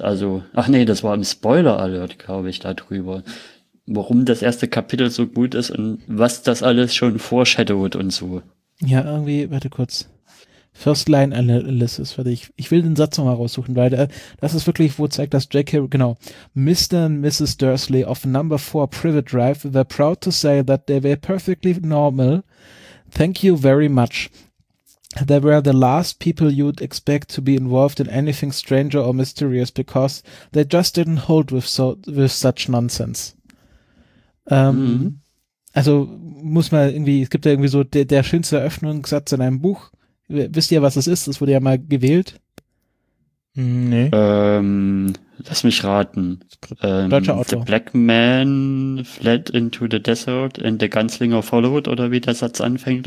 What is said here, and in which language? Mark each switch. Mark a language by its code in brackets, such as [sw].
[de] Also, ach nee, das war im Spoiler-Alert, glaube ich, darüber. Warum das erste Kapitel so gut ist und was das alles schon foreshadowed und so. Ja, irgendwie, warte kurz. First Line Analysis, warte, ich will den Satz nochmal raussuchen, weil das ist wirklich, wo zeigt das J.K., genau. [en] Mr. and Mrs. Dursley of Number 4 Privet Drive were proud to say that they were perfectly normal. Thank you very much. They were the last people you'd expect to be involved in anything stranger or mysterious because they just didn't hold with such nonsense. [de] Also muss man irgendwie, es gibt ja irgendwie so der schönste Eröffnungssatz in einem Buch. Wisst ihr, was es ist? Es wurde ja mal gewählt. Nee. Lass mich raten. Deutscher Autor. [en] The Black Man fled into the desert and the Gunslinger followed, [de] oder wie der Satz anfängt?